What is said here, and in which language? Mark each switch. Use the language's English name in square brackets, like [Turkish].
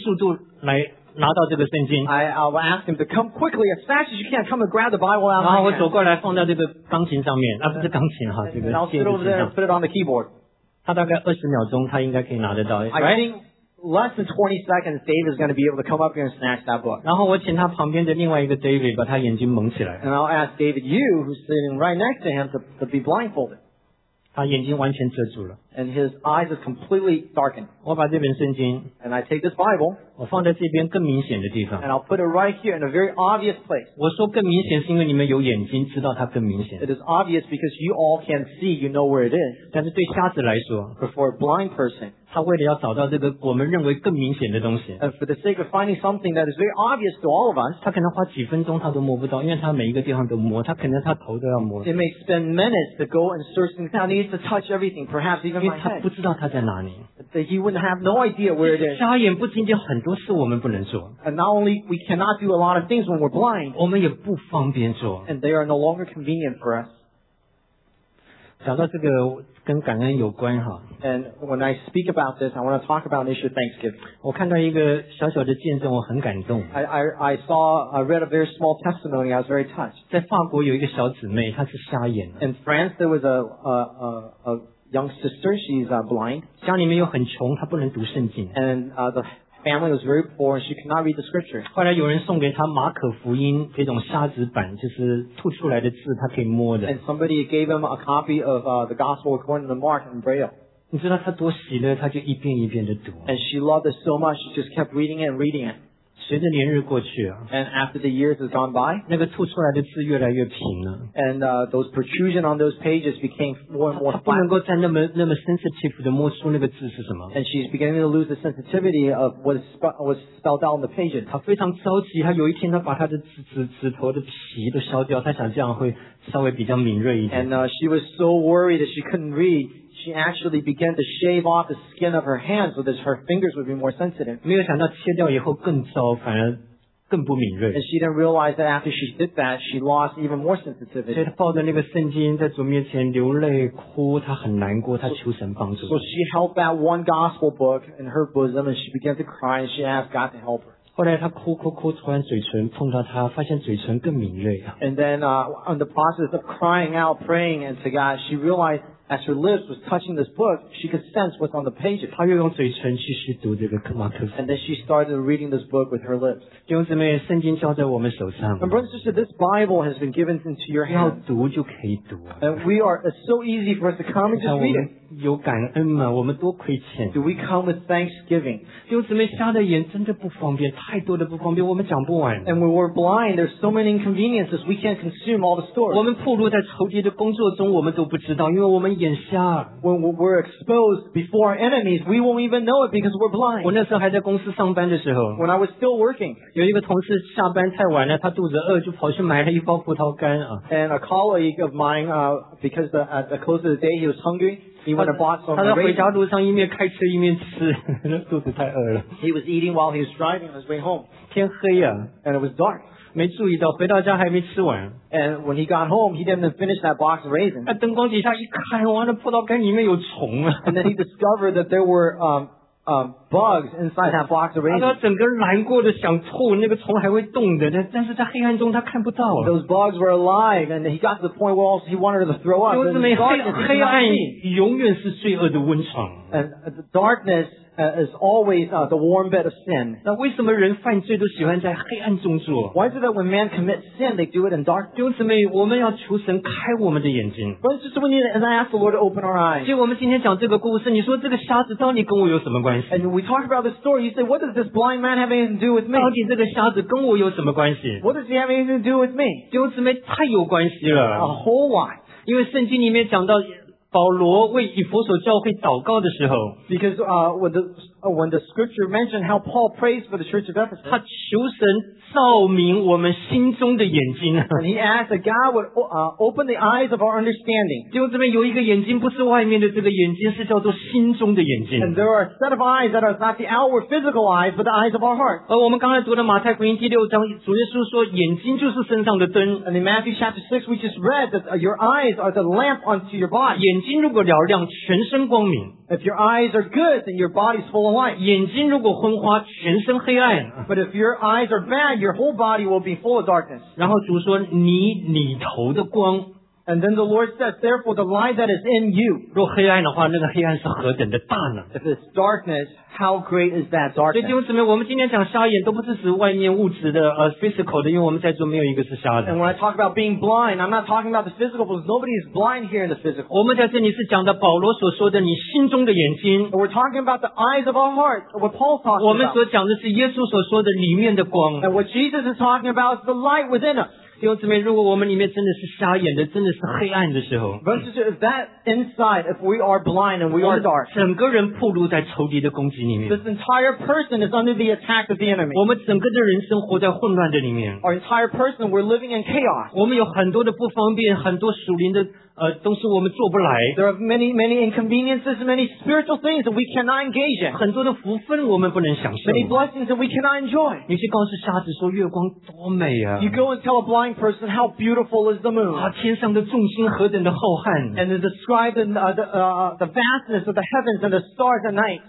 [Chinese] 我现在告诉他说我的圣经请你用你最快的速度来拿到这个圣经。 [English] I will ask him to come quickly as fast as you can, come and grab the Bible out of my hand. [Chinese] 我走过来放到这个钢琴上面, 不是钢琴, [English] and I'll sit over there and put it on the keyboard. [Chinese] 他大概20秒钟他应该可以拿得到, [English] right? I think less than 20 seconds, Dave is going to be able to come up here and snatch that book. [Chinese] 然后我请他旁边的另外一个 David 把他眼睛蒙起来。 [English] And I'll ask David Yu, who's sitting right next to him, to be blindfolded. [Chinese] 他眼睛完全遮住了。 [English] And his eyes are completely darkened. [Chinese] 我把这本圣经, [English] and I take this Bible, [Chinese] 我放在这边更明显的地方, [English] and I'll put it right here in a very obvious place. [Chinese] 我说更明显是因为你们有眼睛, [English] it is obvious because you all can see, you know where it is. [Chinese] 但是对瞎子来说, [English] but for a blind person, [Chinese] 他为了要找到这个我们认为更明显的东西, [English] and for the sake of finding something that is very obvious to all of us, [Chinese] 他可能花几分钟他都摸不到, 因为他每一个地方都摸, 他可能他头都要摸, [English] it may spend minutes to go and search things out. He needs to touch everything, perhaps even my head. [Chinese] 因为他不知道他在哪里, [English] that he wouldn't have no idea where it is. [Chinese] 瞎眼不仅仅很多事我们不能做, [English] and not only we cannot do a lot of things when we're blind, [Chinese] 我们也不方便做, [English] and they are no longer convenient for us. [Chinese] 讲到这个, 跟感恩有关, [English] and when I speak about this, I want to talk about an issue of thanksgiving. [Chinese] 我看到一个小小的见证, [English] I saw, I read a very small testimony, I was very touched. [Chinese] 在法国有一个小姊妹, 她是瞎眼, [English] in France, there was a young sister, she's blind. [Chinese] 家里面又很穷, 她不能读圣经, [English] and the family was very poor and she could not read the scripture. [Chinese] 后来有人送给他马可福音这种瞎子版, 就是吐出来的字, 他可以摸的, [English] and somebody gave him a copy of the gospel according to the Mark in Braille. [Chinese] 你知道他多喜乐, 他就一遍一遍地读, [English] and she loved it so much, she just kept reading it and reading it. [Chinese] 随着年日过去, [English] and after the years has gone by, [Chinese] 那个吐出来的字越来越平了, [English] and those protrusions on those pages became more and more flat. [Chinese] 她不能够再那么 sensitive地摸出那个字是什么, [English] and she's beginning to lose the sensitivity of what was spelled out on the pages. [Chinese] 她非常着急, 她有一天她把她的指头的皮都削掉, 她想这样会稍微比较敏锐一点, [English] and she was so worried that she couldn't read, she actually began to shave off the skin of her hands so that her fingers would be more sensitive. [Chinese] 没有想到切掉以后更糟, 反而更不敏锐, [English] and she didn't realize that after she did that, she lost even more sensitivity. [Chinese] 所以她抱着那个圣经在主面前流泪哭, 她很难过, 她求神帮助, [English] so she held that one gospel book in her bosom and she began to cry and she asked God to help her. [Chinese] 后来她哭哭哭, 突然嘴唇碰到她, 发现嘴唇更敏锐, [English] and then in the process of crying out, praying and to God, she realized as her lips was touching this book, she could sense what's on the pages. And then she started reading this book with her lips. And brothers and sisters, this Bible has been given into your hands. And we are, it's so easy for us to come and just read it. [Chinese] 有感恩吗?我们多亏欠, [English] do we come with thanksgiving? [Chinese] 弟兄姊妹, 瞎的眼真的不方便, 太多的不方便, 我们讲不完, [English] and we were blind, there's so many inconveniences, we can't consume all the stores. [Chinese] 我们暴露在仇敌的工作中, 我们都不知道, 因为我们眼瞎, [English] when we're exposed before our enemies, we won't even know it because we're blind. [Chinese] 我那时候还在公司上班的时候, [English] when I was still working, [Chinese] 有一个同事下班太晚了, 他肚子饿, 就跑去买了一包葡萄干, [English] and a colleague of mine, because at the close of the day he was hungry, he went and bought some. [Chinese] 他在回家路上一面开车一面吃, 肚子太饿了。 [English] He was eating while he was driving on his way home. [Chinese] 天黑啊, [English] and it was dark. [Chinese] 没注意到, 回到家还没吃完, [English] and when he got home, he didn't finish that box of raisins. [Chinese] 灯光底下一看, 哇, 那葡萄干里面有虫啊。 [English] And then he discovered that there were bugs inside that box of raisins. [Chinese] 他整个难过的想吐, 那个虫还会动的, 但是在黑暗中他看不到, [English] those bugs were alive, and he got to the point where also he wanted to throw up. [Chinese] 黑暗永远是罪恶的温床, [English] and the darkness is always the warm bed of sin. [Chinese] 那为什么人犯罪都喜欢在黑暗中做? [English] Why is it that when man commits sin, they do it in dark? [Chinese] 弟兄姊妹,我们要求神开我们的眼睛, [English] we need to ask the Lord to open our eyes. [Chinese] 结果我们今天讲这个故事,你说这个瞎子到底跟我有什么关系? [English] And we talk about the story, you say, what does this blind man have anything to do with me? [Chinese] 到底这个瞎子跟我有什么关系? [English] What does he have anything to do with me? [Chinese] 弟兄姊妹,太有关系了, [English] a whole lot. [Chinese] 因为圣经里面讲到保罗为以弗所教会祷告的时候 [English] ，because when the scripture mentioned how Paul prays for the church of Ephesus， [Chinese] 他求神照明我们心中的眼睛。 [English] And he asked that God would open the eyes of our understanding。 [Chinese] 弟兄这边有一个眼睛，不是外面的这个眼睛，是叫做心中的眼睛。 [English] And there are a set of eyes that are not the outward physical eyes， but the eyes of our heart。 [Chinese] 而我们刚才读的马太福音第六章，主耶稣说眼睛就是身上的灯。 [English] And in Matthew chapter 6 we just read that your eyes are the lamp unto your body。 [Chinese] 眼睛如果嘹亮，全身光明。 [English] If your eyes are good, then your body's full of light. [Chinese] 眼睛如果昏花，全身黑暗。 [English] But if your eyes are bad, your whole body will be full of darkness. [Chinese] 然后主说，你里头的光。 [English] And then the Lord says, therefore the light that is in you. [Chinese] 若黑暗的话，那个黑暗是何等的大呢？ [English] If it's darkness, how great is that darkness? [Chinese] 所以弟兄姊妹，我们今天讲瞎眼都不是指外面物质的physical 的，因为我们在座没有一个是瞎的。 [English] And when I talk about being blind, I'm not talking about the physical, because nobody is blind here in the physical. [Chinese] 我们在这里是讲的保罗所说的你心中的眼睛。 [English] And we're talking about the eyes of our heart, what Paul's talking about. [Chinese] 我们所讲的是耶稣所说的里面的光。 [English] And what Jesus is talking about is the light within us. [Chinese] 弟兄姊妹，如果我们里面真的是瞎眼的，真的是黑暗的时候 [English] ，versus that inside, if we are blind and we are dark, [Chinese] 整个人暴露在仇敌的攻击里面 [English] ，this entire person is under the attack of the enemy. [Chinese] 我们整个的人生活在混乱的里面 [English] ，our entire person we're living in chaos. [Chinese] 我们有很多的不方便，很多属灵的都是我们做不来。 [English] There are many, many inconveniences, many spiritual things that we cannot engage in. [Chinese] 很多的福分我们不能享受。 [English] Many blessings that we cannot enjoy. [Chinese] 你去告诉瞎子说月光多美啊。 [English] You go and tell a blind person how beautiful is the moon. [Chinese] 啊，天上的众星何等的浩瀚。 [English] And to describe the vastness of the heavens and the stars at night.